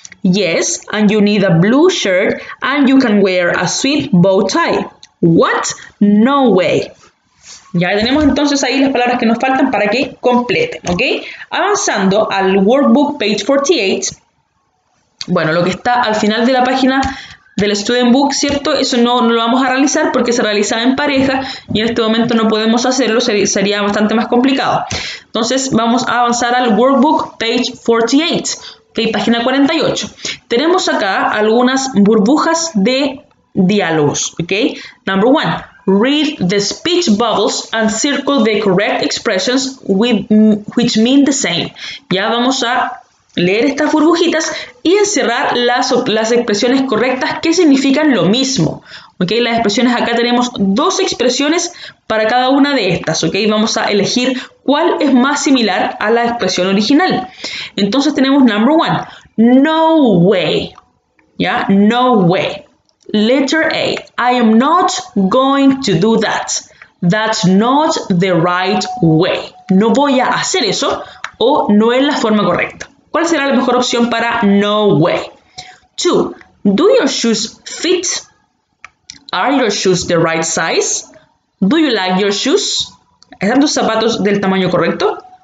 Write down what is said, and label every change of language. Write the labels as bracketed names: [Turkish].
[English] Yes, and you need a blue shirt, and you can wear a sweet bow tie. What? No way. [Spanish] Ya tenemos entonces ahí las palabras que nos faltan para que completen, ¿ok? Avanzando al workbook page 48. Bueno, lo que está al final de la página del student book, ¿cierto? Eso no lo vamos a realizar porque se realizaba en pareja y en este momento no podemos hacerlo, sería bastante más complicado. Entonces vamos a avanzar al workbook page 48. Okay, página 48. Tenemos acá algunas burbujas de diálogos. Okay? [English] Number one, read the speech bubbles and circle the correct expressions which mean the same. [Spanish] Ya vamos a leer estas burbujitas y encerrar las expresiones correctas que significan lo mismo. Okay? Las expresiones, acá tenemos dos expresiones para cada una de estas. Okay? Vamos a elegir cuál es más similar a la expresión original. Entonces tenemos number one, no way. ¿Ya? No way. [English] Letter A, I am not going to do that. That's not the right way. [Spanish] No voy a hacer eso o no es la forma correcta. ¿Cuál será la mejor opción para no way? [English] Two, do your shoes fit? Are your shoes the right size? Do you like your shoes? [Spanish] ¿Están tus zapatos del tamaño correcto?